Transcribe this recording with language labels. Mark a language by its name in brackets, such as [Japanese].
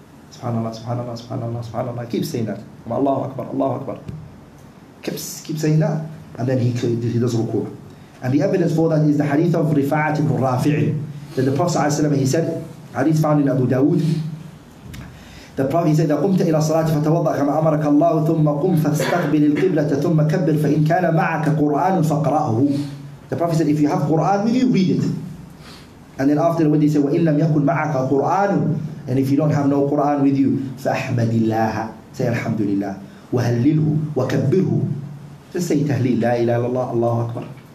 [English] Subhanallah, subhanallah, subhanallah, subhanallah. Keep saying that. Allahu Akbar, Allahu Akbar. Keep saying that. And then he does ruku'. And the evidence for that is the hadith of Rifa'at ibn Rafi'i. That the Prophet ﷺ, he said, hadith found in Abu Dawood. The Prophet, he said, [Arabic] قُمْتَ إِلَى صَلَاتِ فَتَوَضَّعْ كَمَا أَمَرَكَ اللَّهُ ثُمَّ قُمْ فَاسْتَقْبِلِ الْقِبْلَةَ ثُمَّ كَبِّرْ فَإِنْ كَانَ مَعَكَ قُرْآنٌ فَقْرَأْهُ. [English] The Prophet said, if you have Quran with you, read it. And then after when he said, [Arabic] وَإِنْ لَمْ يَكُنْ مَعَكَ قُرْآنٌ, [English] and if you don't have no Quran with you, [Arabic] فَأَحْمَدِ اللَّهَ, [English] say Alhamdulillah, [Arabic] وَهَلِّلْهُ وَكَبِّرْهُ. [English] Just say tahleel, la ilaha illallah, Allahu Akbar.